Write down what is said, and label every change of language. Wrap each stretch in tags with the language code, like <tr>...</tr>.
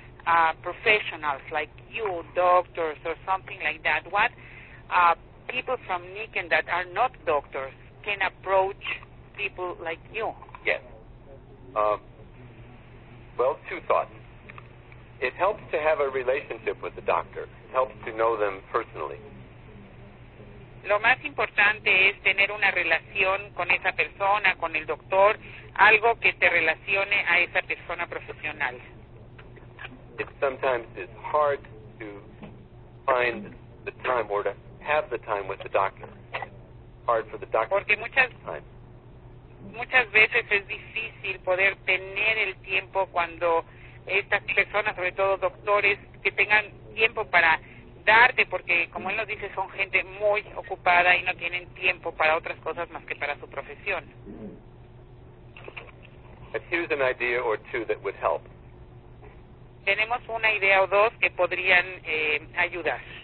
<en>Professionals like you, doctors or something like that, what people from Nikken that are not doctors can approach people like you? Yes. Well, two thoughts. It helps to have a relationship with the doctor. It helps to know them personally.</en> <es>Lo más importante es tener una relación con esa persona, con el doctor, algo que te relacione a esa persona profesional.</es> <en>It sometimes is hard to find the time or to have the time with the doctor. Hard for the doctor.</en> <es>Porque muchas</es> <en>time.</en> <es>Muchas veces es difícil poder tener el tiempo cuando estas personas, sobre todo doctores, que tengan tiempo para darte, porque como él nos dice, son gente muy ocupada y no tienen tiempo para otras cosas más que para su profesión.</es> <en>But here's an idea or two that would help.</en> <es>Tenemos una idea o dos que podrían ayudar.</es>